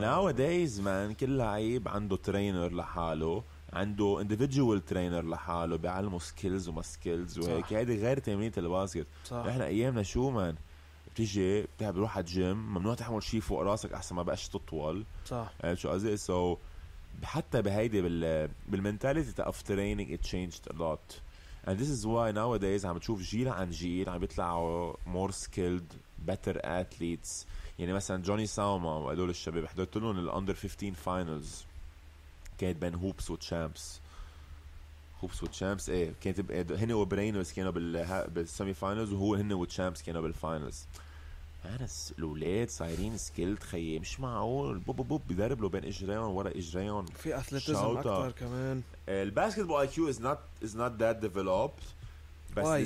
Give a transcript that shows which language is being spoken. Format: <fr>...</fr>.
<ar>nowadays man كل لعيب عنده ترينر لحاله عنده individual ترينر لحاله بيعلمه سكيلز وما سكيلز وهيك هيدي غير تمرينة الباسكت نحن أيامنا شو man بتيجي بتروح على الجيم ممنوع تحمل شي فوق راسك أحسن ما بقاش تطول صح شو قصدي سو حتى بهيدي بالمنتاليتي تقف ترينينج</ar> <en>it changed a lot And this is why nowadays</en> <ar>عم تشوف جيل عن جيل عم بيطلعوا</ar> <en>more skilled, better athletes.</en> <ar>يعني مثلا جوني ساوما وهدول الشباب حضرت لهم الأندر 15 فاينلز كانت بين هوبس وتشامبس. هوبس وتشامبس ايه كانت هن وبرينوس كانوا بالسيمي فاينلز وهو هن وتشامبس كانوا بالفاينلز. هانس الأولاد صايرين سكيلت خيي مش معقول بوب بوب بيدرب له بين إجريون ورا إجريون في أثليتزم أكتر كمان.</ar> <en>الباسكتبول IQ is not that developed بس why?</en>